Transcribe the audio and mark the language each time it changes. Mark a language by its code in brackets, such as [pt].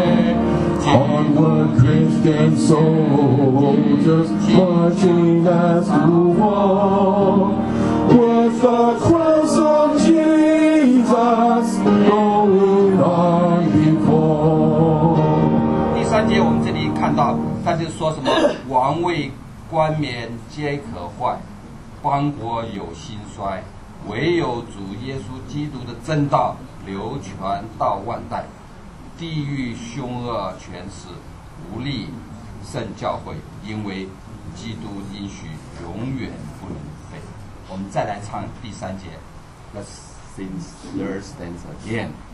[en] and soldiers marching as to war. With the cross of Jesus going on before. [zh] 第三节我们这里看到，他就说什么？王位冠冕皆可坏，邦国有兴衰，唯有主耶稣基督的真道流传到万代。地狱凶恶权势无力胜教会，因为基督应许永远不能废。我们再来唱第三节。 [en] Let's sing third stanza again.